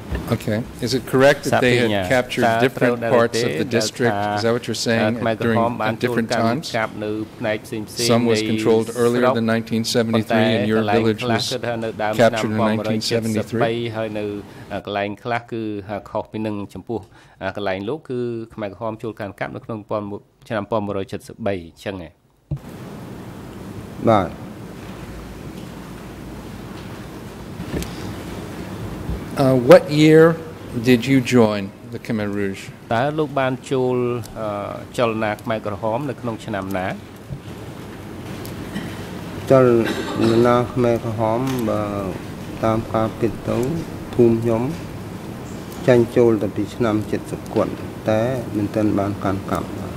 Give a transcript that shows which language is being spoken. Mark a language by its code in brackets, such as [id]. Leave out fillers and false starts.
[en] អូខេ is it correct that they had captured different parts of the district is that what you're saying during different times some was controlled earlier than 1973 and your village was captured in 1973 [km] ហើយនៅកន្លែងខ្លះគឺខុសពីនឹងចំពោះកន្លែងលោកគឺខ្មែរក្រហមចូលកាន់កាប់នៅក្នុងឆ្នាំ1973អញ្ចឹងឯ ងបាទ [en] What year did you join the Khmer Rouge? [km] តើលោកបានចូលចលនាខ្មែរក្រហមនៅក្នុងឆ្នាំណា ចលនាខ្មែរក្រហមបើតាមការពិតទៅភូមិខ្ញុំចាញ់ចូលតាំងពីឆ្នាំ70គត់តែមិនទាន់បានកាន់កាប់